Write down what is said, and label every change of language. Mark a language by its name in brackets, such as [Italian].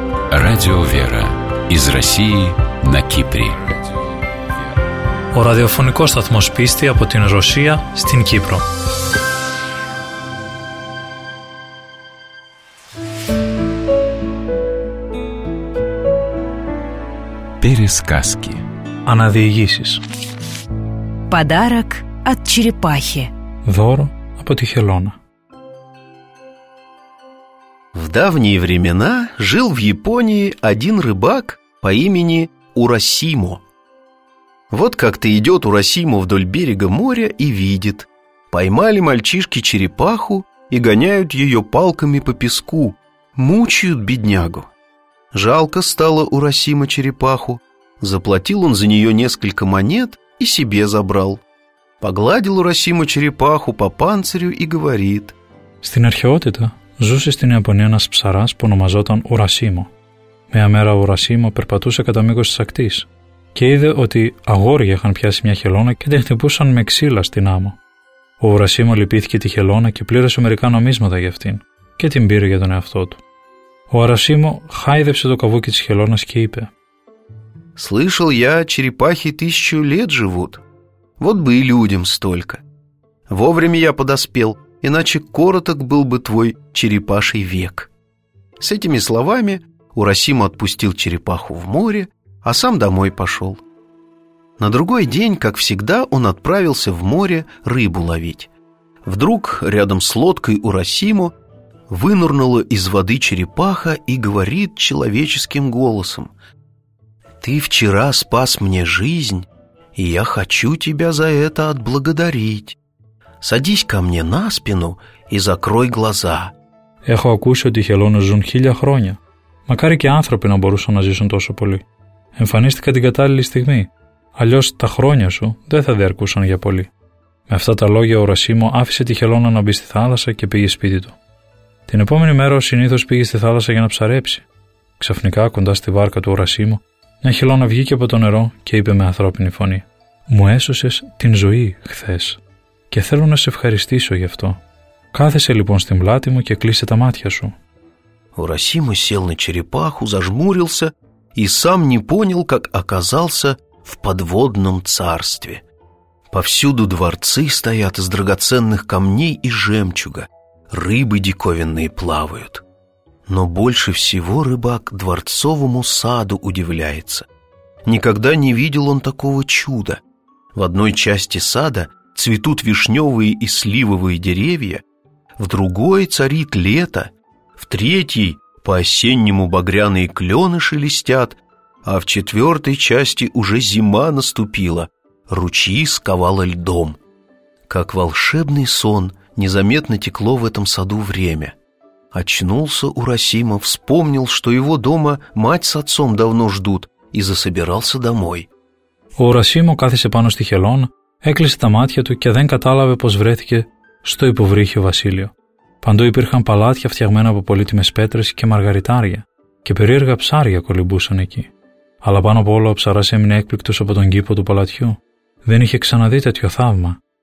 [Russian] Радио Вера из России на Кипре. [Greek] Ο ραδιοφωνικός σταθμός πίστη από την Ρωσία στην Κύπρο. [Russian] Пересказки. [Greek] Αναδιηγήσεις. [Russian] Подарок от черепахи. [Greek] Δώρο από τη Χελώνα. [Russian] В давние времена жил в Японии один рыбак по имени Урасимо. Вот как-то идет Урасимо вдоль берега моря и видит: поймали мальчишки черепаху и гоняют ее палками по песку, мучают беднягу. Жалко стало Урасимо черепаху. Заплатил он за нее несколько монет и себе забрал. Погладил Урасимо черепаху по панцирю и говорит: [Greek] «Στην αρχαιότητα ζούσε στην Ιαπωνία ένας ψαράς που ονομαζόταν Ουρασίμο. Μια μέρα ο Ουρασίμο περπατούσε κατά μήκος της ακτής και είδε ότι αγόρια είχαν πιάσει μια χελώνα και την χτυπούσαν με ξύλα στην άμμο. Ο Ουρασίμο λυπήθηκε τη χελώνα και πλήρωσε μερικά νομίσματα για αυτήν και την πήρε για τον εαυτό του. Ο Ουρασίμο χάιδεψε το καβούκι της χελώνας και είπε: [Russian] «Слышал я, черепахи тысячу лет живут. Вот бы и людям столько. Вовремя я подоспел, иначе короток был бы твой черепаший век». С этими словами Урасимо отпустил черепаху в море, а сам домой пошел. На другой день, как всегда, он отправился в море рыбу ловить. Вдруг рядом с лодкой Урасимо вынырнула из воды черепаха и говорит человеческим голосом: «Ты вчера спас мне жизнь, и я хочу тебя за это отблагодарить. Садись ко мне на спину и закрой глаза». [Greek] Έχω ακούσει ότι οι χελώνες ζουν χίλια χρόνια. Μακάρι και άνθρωποι να μπορούσαν να ζήσουν τόσο πολύ. Εμφανίστηκα την κατάλληλη στιγμή. Αλλιώς τα χρόνια σου δεν θα διαρκούσαν για πολύ. Με αυτά τα λόγια ο Ουρασίμο άφησε τη χελώνα να μπει στη θάλασσα και πήγε σπίτι του. Την επόμενη μέρα ο συνήθως πήγε στη θάλασσα για να ψαρέψει. Ξαφνικά κοντά στη βάρκα του Ουρασίμο, μια χελώνα βγήκε από το νερό και είπε με ανθρώπινη φωνή: «Μου έσωσες την ζωή χθες και θέλω να σε ευχαριστήσω γι' αυτό. Κάθεσε λοιπόν στην πλάτη μου και κλείσε τα μάτια σου». [Russian] Ο Ουρασίμο сел на черепаху, зажмурился и сам не понял, как оказался в подводном царстве. Повсюду дворцы стоят из драгоценных камней и жемчуга, рыбы диковинные плавают. Но больше всего рыбак дворцовому саду удивляется. Никогда не видел он такого чуда. В одной части сада цветут вишневые и сливовые деревья, в другой царит лето, в третьей по-осеннему багряные клены шелестят, а в четвертой части уже зима наступила, ручьи сковало льдом. Как волшебный сон, незаметно текло в этом саду время. Очнулся Урасимо, вспомнил, что его дома мать с отцом давно ждут, и засобирался домой. [Greek] Ο Урασίμο κάθισε πάνω στη χελώνα, έκλεισε τα μάτια του και δεν κατάλαβε πως βρέθηκε στο υποβρύχιο βασίλειο. Παντού υπήρχαν παλάτια φτιαγμένα από πολύτιμες πέτρες και μαργαριτάρια, και περίεργα ψάρια κολυμπούσαν εκεί. Αλλά πάνω από όλο ο ψαράς έμεινε έκπληκτος από τον κήπο του παλατιού. Δεν είχε ξαναδεί τέτοιο θαύμα.